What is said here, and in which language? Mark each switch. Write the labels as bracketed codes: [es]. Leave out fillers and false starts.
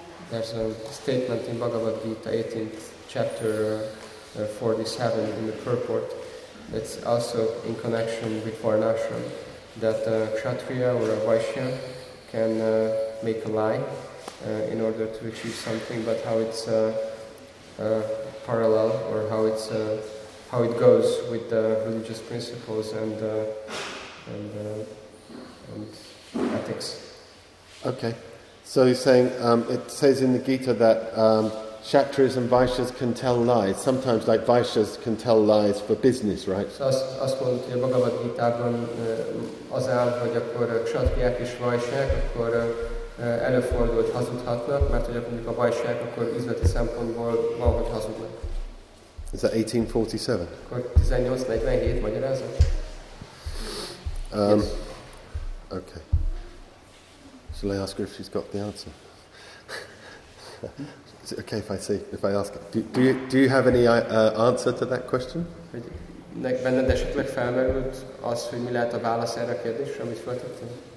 [en] There's a statement in Bhagavad Gita 18th chapter 47 in the purport that's also in connection with Varnashram, that a Kshatriya or a Vaishya can make a lie in order to achieve something, but how it's parallel or how it's how it goes with the religious principles and ethics. Okay. So he's saying, it says in the Gita that Kshatriyas and Vaishyas can tell lies. Sometimes, like Vaishyas can tell lies for business, right? [hu] So azt mondja a Bhagavad Gita-ban az áll, hogy akkor Kshatriyák és Vaishyák, akkor előfordul, hogy hazudhatnak, mert hogy mondjuk a Vaishyák, akkor üzleti szempontból van, hogy hazudnak. [en] Is that 1847? [hu] Akkor 1847, magyarázat. [en] Yes. Okay. Shall I ask her if she's got the answer? Is it okay if I see, if I ask her? Do you have any answer to that question? [hu] Benned esetleg felmerült az, hogy mi lehet a válasz erre a kérdésre, amit feltettél?